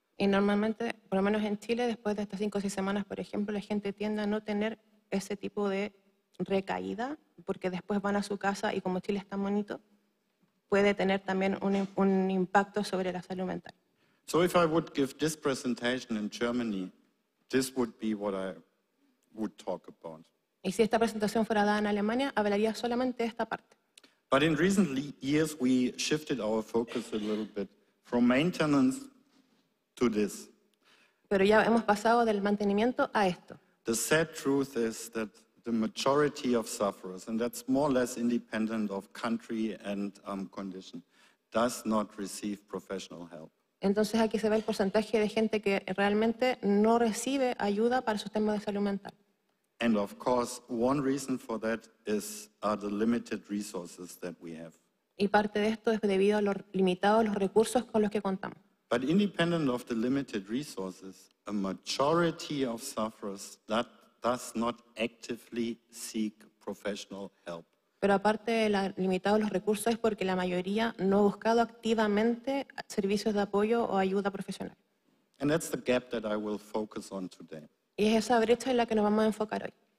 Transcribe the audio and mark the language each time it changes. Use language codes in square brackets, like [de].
[es] Y normalmente, por lo menos en Chile, después de estas 5 o 6 semanas, por ejemplo, la gente tiende a no tener ese tipo de recaída, porque después van a su casa y como Chile está bonito, puede tener también un impacto sobre la salud mental. [en] So if I would give this presentation in Germany, this would be what I would talk about. [es] Y si esta presentación fuera dada en Alemania, hablaría solamente de esta parte. [en] But in recent years we shifted our focus a little bit from maintenance to this. [es] Pero ya hemos pasado del mantenimiento a esto. [en] The sad truth is that the majority of sufferers, and that's more or less independent of country and condition, does not receive professional help. [es] Entonces aquí se ve el porcentaje de gente que realmente no recibe ayuda para su tema de salud mental. [en] And of course, one reason for that is are the limited resources that we have. [es] Y parte de esto es debido a los limitados los recursos con los que contamos. [en] But independent of the limited resources, a majority of sufferers that does not actively seek professional help. [es] Pero aparte de la limitado los recursos es porque la mayoría no ha buscado activamente servicios de apoyo o ayuda profesional. [en] And that's the gap that I will focus on today. [es] Y es esa brecha en la que nos vamos a enfocar hoy.